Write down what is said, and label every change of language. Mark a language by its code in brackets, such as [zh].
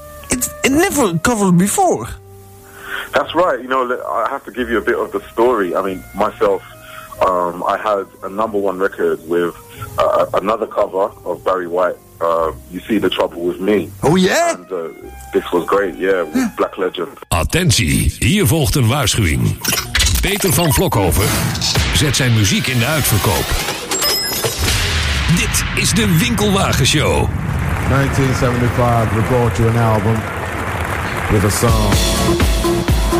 [en] It never covered before. That's right. You know, I have to give you a bit of the story. I mean, myself, I had a number one record with another cover of Barry White You See the Trouble With Me. Oh yeah? And this was great, yeah, with Black Legend. [nl] Attentie, hier volgt een waarschuwing. Peter van Vlokhoven zet zijn muziek in de uitverkoop. Dit is de Winkelwagenshow. [en] 1975, we brought you an album with a song.